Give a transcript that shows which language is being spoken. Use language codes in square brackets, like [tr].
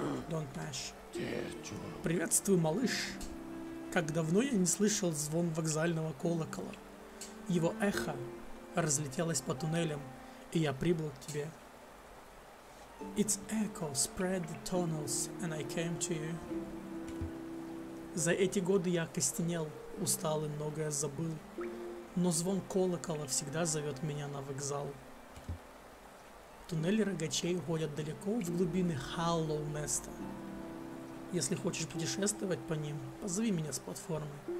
[en] Don't mash. [ru] Приветствую, малыш. Как давно я не слышал звон вокзального колокола. Его эхо разлетелось по туннелям, и я прибыл к тебе. [en] Its echo spread the tunnels, and I came to you. [ru] За эти годы я окостенел, устал и многое забыл. Но звон колокола всегда зовет меня на вокзал. Туннели рогачей уходят далеко в глубины Халлоу-Неста. Если хочешь путешествовать по ним, позови меня с платформы.